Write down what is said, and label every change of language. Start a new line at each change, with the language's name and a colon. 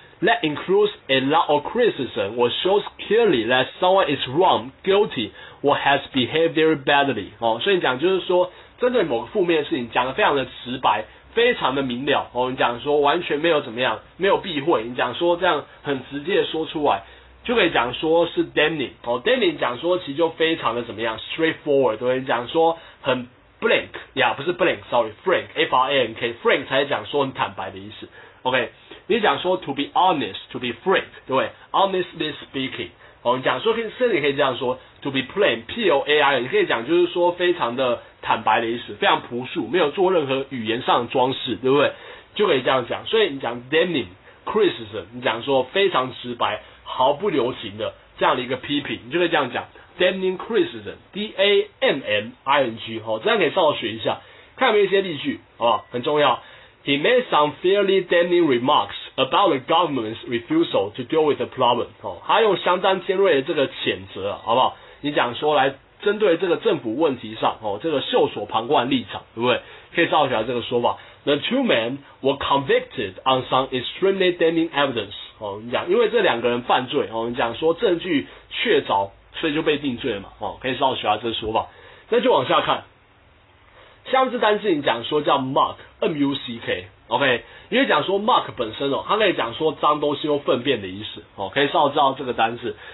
English: That includes a lot of criticism or shows clearly that someone is wrong, guilty, or has behaved very badly。
Chinese: 哦，所以你讲就是说，针对某个负面的事情，讲得非常的直白，非常的明了。哦，你讲说完全没有怎么样，没有避讳，你讲说这样很直接的说出来。就可以讲说是 damning 哦 ，damning 讲说其实就非常的怎么样 ，straightforward， 对不对？讲说很 blank 呀，不是 blank，sorry，frank，F-R-A-N-K，frank 才讲说很坦白的意思。 OK， 你讲说
English: to be honest，to be frank，
Chinese: 对不对 ？
English: Honestly speaking，
Chinese: 哦，你讲说可以，甚至可以这样说 ，
English: to be plain，
Chinese: P-L-A-I-N， 你可以讲就是说非常的坦白的意思，非常朴素，没有做任何语言上的装饰，对不对？就可以这样讲。所以你讲 damning criticism， 你讲说非常直白。毫不留情的这样的一个批评，你就可以这样讲 ，damning criticism，D A M M I N G， 哈、哦，这样可以稍微学一下，看有没有一些例句，好不好？很重要。
English: He made some fairly damning remarks about the government's refusal to deal with the problem，
Chinese: 哦，他用相当尖锐的这个谴责，好不好？你讲说来针对这个政府问题上，哦，这个袖手旁观立场，对不对？可以稍微学这个说法。
English: The two men were convicted on some extremely damning evidence。
Chinese: 哦，你讲，因为这两个人犯罪，哦，你讲说证据确凿，所以就被定罪了嘛，哦，可以稍微学下这个说法，那就往下看，像这单字你讲说叫 muck，M-U-C-K。 OK， 因为讲说 muck 本身哦，它可以讲说脏东西或粪便的意思哦，可以稍微知道这个单字。